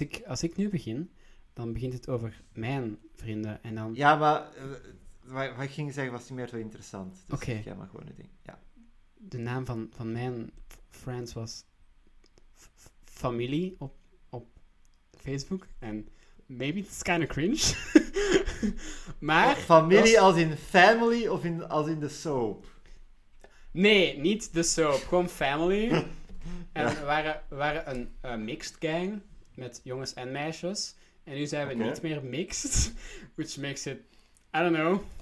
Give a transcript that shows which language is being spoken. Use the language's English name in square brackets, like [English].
[Dutch] Als ik nu begin, dan begint het over mijn vrienden. En dan... Ja, maar wat ik ging zeggen was niet meer zo interessant. Dus okay. Zeg jij maar gewoon een ding. Ja. De naam van mijn friends was familie op Facebook. [English] En maybe it's kind of cringe. [Dutch] Maar... Familie als in family of als in the soap? Nee, niet de soap. Gewoon family. En ja. we waren een mixed gang met jongens en meisjes. En nu zijn we niet meer mixed. [English] Which makes it, I don't know,